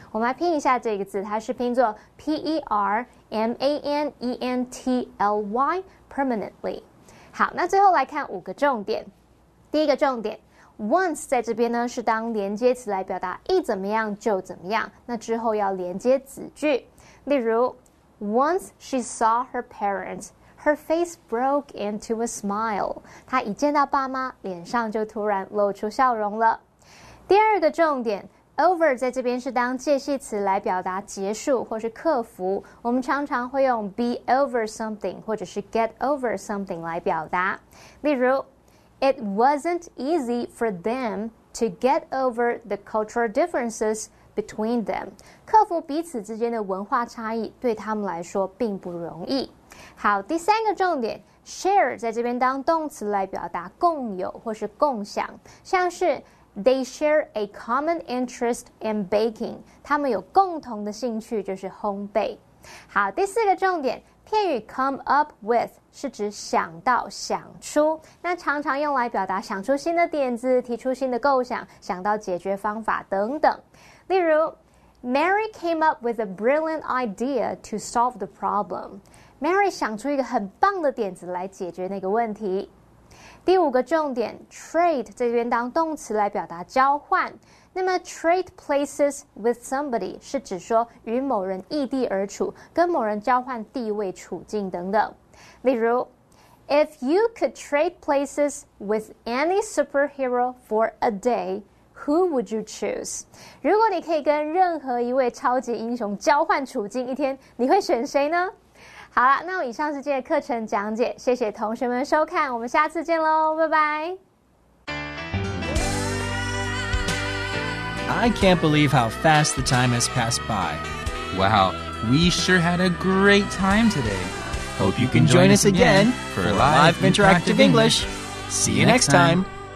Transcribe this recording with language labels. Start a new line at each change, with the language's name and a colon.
Chinese: 我们来拼一下这个字，它是拼作 p-e-r-m-a-n-e-n-t-l-y permanently。好，那最后来看五个重点。第一个重点，Once 在这边呢是当连接词来表达一怎么样就怎么样，那之后要连接子句。例如
English: ，Once she saw her parents, her face broke into a smile。
Chinese: 她一见到爸妈，脸上就突然露出笑容了。第二个重点 ，Over 在这边是当介系词来表达结束或是克服，我们常常会用 be over something 或者是 get over something 来表达。例如。
English: It wasn't easy for them to get over the cultural differences between them.
Chinese: 克服彼此之间的文化差异对他们来说并不容易。好，第三个重点， share 在这边当动词来表达共有或是共享，像是
English: they share a common interest in baking，
Chinese: 他们有共同的兴趣就是烘焙。好，第四个重点，片语 come up with 是指想到想出，那常常用来表达想出新的点子，提出新的构想，想到解决方法等等。
English: 例如 Mary came up with a brilliant idea to solve the problem， Mary
Chinese: 想出一个很棒的点子来解决那个问题。第五个重点， trade 这边当动词来表达交换，那么 trade places with somebody 是指说与某人异地而处，跟某人交换地位处境等等。例如
English: If you could trade places with any superhero for a day, who would you choose?
Chinese: 如果你可以跟任何一位超级英雄交换处境一天，你会选谁呢？好了，那我以上是今天的课程讲解，谢谢同学们收看，我们下次见咯，拜拜。
English: I can't believe how fast the time has passed by. Wow, we sure had a great time today. Hope you can join us again for live interactive English. See you next time.